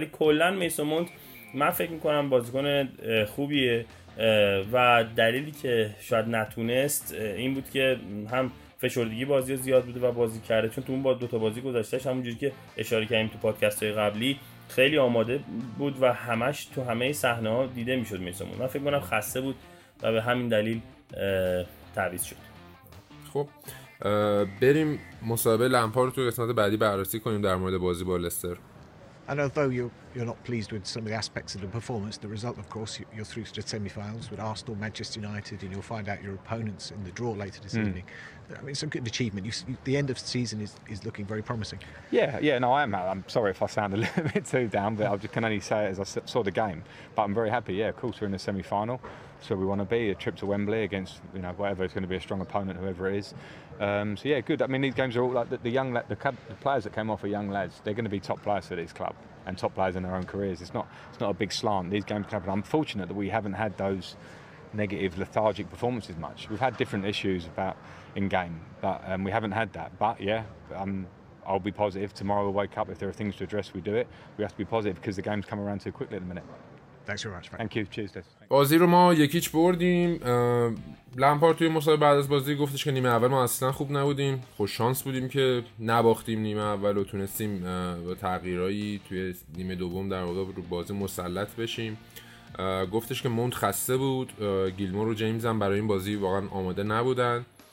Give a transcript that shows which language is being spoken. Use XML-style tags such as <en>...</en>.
<fa>ولی کلن میسون مونت من فکر میکنم بازیکن خوبیه و دلیلی که شاید نتونست این بود که هم فشردگی بازی زیاد بوده و بازی کرده، چون تو اون با دوتا بازی گذاشتهش همونجوری که اشاره کردیم تو پادکست های قبلی خیلی آماده بود و همش تو همه صحنه ها دیده میشد میسون مونت. من فکر میکنم خسته بود و به همین دلیل تعویض شد. خب بریم مصاحبه لمپارد تو قسمت بعدی بررسی کنیم در مورد بازی با لستر.</fa> <en>And although you're not pleased with some of the aspects of the performance, the result, of course, you're through to the semi-finals with Arsenal, Manchester United, and you'll find out your opponents in the draw later this evening. I mean, it's a good achievement. The end of the season is looking very promising. Yeah. No, I am. I'm sorry if I sound a little bit too down, but I can only say it as I saw the game. But I'm very happy. Yeah, of course, we're in the semi-final, so we want to be a trip to Wembley against, you know, whatever is going to be a strong opponent, whoever it is. So yeah, good. I mean, these games are all like the players that came off are young lads. They're going to be top players for this club and top players in their own careers. It's not a big slant. These games can happen. I'm fortunate that we haven't had those negative, lethargic performances much. We've had different issues about in game, but we haven't had that. But yeah, I'll be positive. Tomorrow we'll wake up. If there are things to address, we do it. We have to be positive because the game's come around too quickly at the minute. Thanks very much, Frank. Thank you. Cheers, Des.</en> <fa>بازی رو ما یکیچ بردیم. لمپارد توی مصاحبه بعد از بازی گفتش که نیمه اول ما اصلا خوب نبودیم، خوش شانس بودیم که نباختیم نیمه اول و تونستیم با تغییرایی توی نیمه دوم در واقع رو بازی مسلط بشیم. گفتش که مونت خسته بود، گیلمور و جیمز هم برای این بازی واقعا آماده نبودن.</fa>